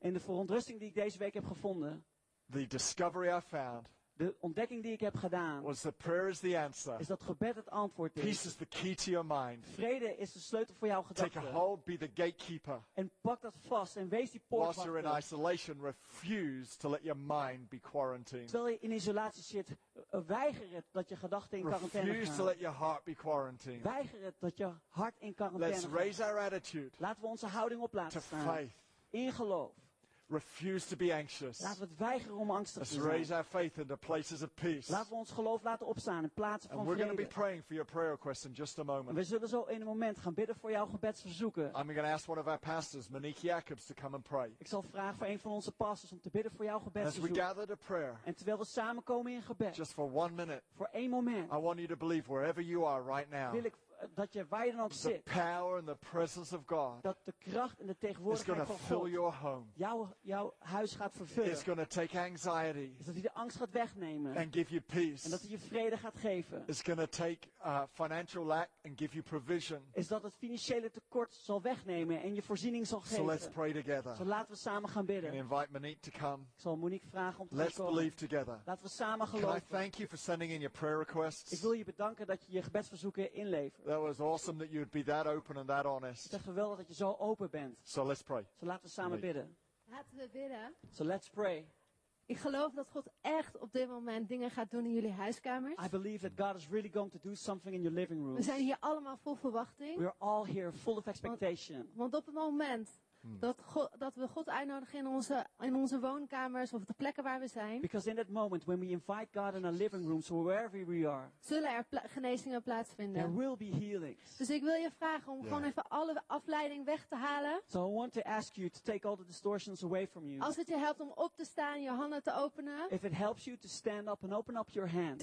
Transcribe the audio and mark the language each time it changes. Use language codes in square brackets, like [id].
[nl] In de verontrusting die ik deze week heb gevonden. [en] The discovery I found. [nl] De ontdekking die ik heb gedaan. [en] Was that prayer is the answer. [nl] Is dat gebed het antwoord is. [en] Peace is the key to your mind. [nl] Vrede is de sleutel voor jouw gedachten. [en] Take a hold, be the gatekeeper. [nl] En pak dat vast en wees die poortwachter. [en] Whilst you're in isolation, refuse to let your mind be quarantined. [nl] Terwijl je in isolatie zit, weiger het dat je gedachten in quarantaine gaan. [en] Refuse to let your heart be quarantined. [nl] Weiger het dat je hart in quarantaine [en] let's [nl] gaat. [en] Raise our attitude. [nl] Laten we onze houding op laten [en] to [nl] staan. [en] Faith. [nl] In geloof. [en] Refuse to be anxious. [nl] Laten we het weigeren om angstig [en] let's [nl] te zijn. [en] Raise our faith into places of peace. [nl] Laten we ons geloof laten opstaan in plaatsen van [en] and [nl] vrede. [en] We're going to be praying for your prayer request in just a moment. [nl] We zullen zo in een moment gaan bidden voor jouw gebedsverzoeken. [en] I'm going to ask one of our pastors, Monique Jacobs, to come and pray. [nl] Ik zal vragen voor een van onze pastors om te bidden voor jouw gebedsverzoek. [en] As we gather to prayer. [nl] En terwijl we samenkomen in gebed. [en] Just for one minute. [nl] Voor één moment. [en] I want you to believe wherever you are right now. [nl] Wil ik dat je waar je dan ook [en] the [nl] zit. [en] Power and the presence of God [nl] dat de kracht en de tegenwoordigheid [en] is [nl] van God [en] fill your home. [nl] Jouw huis gaat vervullen. [en] It's gonna take anxiety [nl] is dat hij de angst gaat wegnemen. [en] And give you peace. [nl] En dat hij je vrede gaat geven. [en] It's gonna take, financial lack and give you provision. [nl] Is dat het financiële tekort zal wegnemen en je voorziening zal geven. [en] So let's pray together. [nl] Zo laten we samen gaan bidden. [en] And invite Monique to come. [nl] Ik zal Monique vragen om te [en] let's [nl] komen. [en] Believe together. [nl] Laten we samen geloven. [en] Can I thank you for sending in your prayer requests? [nl] Ik wil je bedanken dat je je gebedsverzoeken inlevert. [en] That was awesome that you'd be that open and that honest. [nl] Het is geweldig dat je zo open bent. [en] So let's pray. [nl] So laten we samen bidden. Laten we bidden. [en] So let's pray. [nl] Ik geloof dat God echt op dit moment dingen gaat doen in jullie huiskamers. [en] I believe that God is really going to do something in your living rooms. [nl] We zijn hier allemaal vol verwachting. [en] We are all here full of expectation. [nl] Want op het moment dat we God uitnodigen in onze woonkamers of de plekken waar we zijn. [en] Because in that moment when we invite God in our living rooms or wherever we are. [nl] Zullen er genezingen plaatsvinden. [en] There will be healings. [nl] Dus ik wil je vragen om gewoon even alle afleiding weg te halen. [en] So I want to ask you to take all the distortions away from you. [nl] Als het je helpt om op te staan, je handen te openen. [en] If it helps you to stand up and open up your hands.